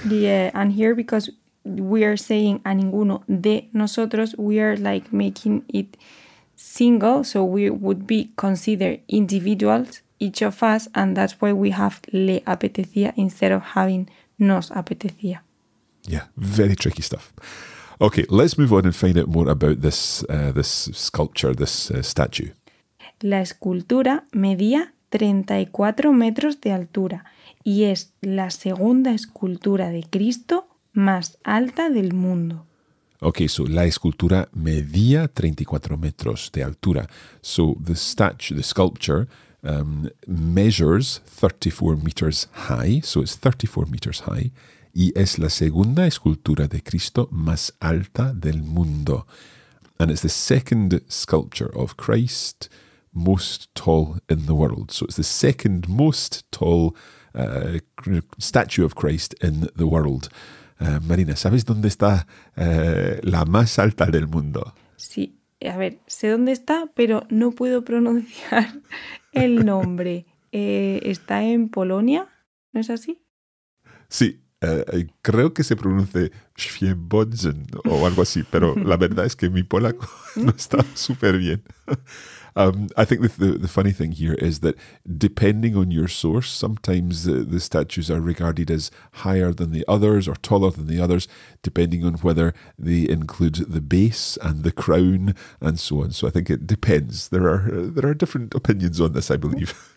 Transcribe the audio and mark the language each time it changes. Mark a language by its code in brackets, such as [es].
[en] Yeah, and here because we are saying [es] a ninguno de nosotros, [en] we are like making it single, so we would be considered individuals, each of us, and that's why we have [es] le apetecía [en] instead of having [es] nos apetecía. [en] Yeah, very tricky stuff. Okay, let's move on and find out more about this this sculpture, this statue. [es] La escultura medía 34 metros de altura y es la segunda escultura de Cristo más alta del mundo. Okay, so la escultura medía 34 metros de altura. [en] So the statue, the sculpture, measures 34 meters high. So it's 34 meters high. [es] Y es la segunda escultura de Cristo más alta del mundo. [en] And it's the second sculpture of Christ most tall in the world. So it's the second most tall statue of Christ in the world. [es] Marina, ¿sabes dónde está la más alta del mundo? Sí, a ver, sé dónde está, pero no puedo pronunciar el nombre. ¿Está en Polonia? ¿No es así? Sí. Creo que se pronuncia Świebodzin o algo así, pero la verdad es que mi polaco no está súper bien. [en] I think the funny thing here is that depending on your source, sometimes the statues are regarded as higher than the others or taller than the others, depending on whether they include the base and the crown and so on. So I think it depends. There are different opinions on this, I believe.